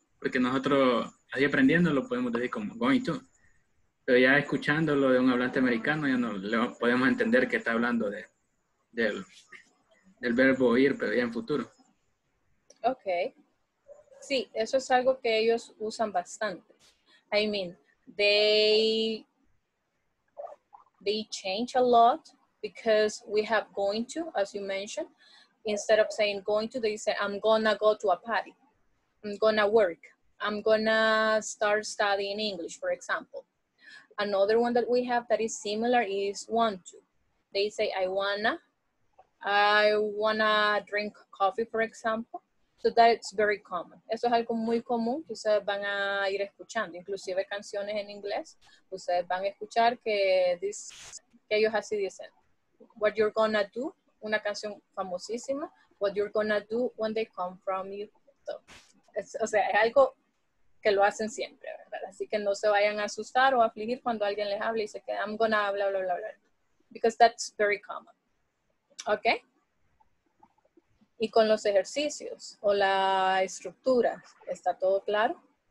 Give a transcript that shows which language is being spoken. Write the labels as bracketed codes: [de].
[es] Porque nosotros, así aprendiendo, lo podemos decir como going to. Pero ya escuchándolo de un hablante americano, ya no le podemos entender que está hablando del verbo ir, pero ya en futuro. Ok. Sí, eso es algo que ellos usan bastante. [en] I mean, they change a lot because we have going to, as you mentioned. Instead of saying going to, they say, I'm gonna go to a party. I'm gonna work. I'm gonna start studying English, for example. Another one that we have that is similar is want to. They say, I wanna drink coffee, for example. So that's very common. [es] Eso es algo muy común que ustedes van a ir escuchando. Inclusive canciones en inglés, ustedes van a escuchar que ellos así dicen. [en] What you're gonna do, [es] una canción famosísima. [en] What you're gonna do when they come from you. [es] So, o sea, es algo que lo hacen siempre, ¿verdad? Así que no se vayan a asustar o afligir cuando alguien les hable y se queda, [en] I'm gonna bla, bla, bla, bla. Because that's very common. Okay. [es] ¿Y con los ejercicios o la estructura? ¿Está todo claro?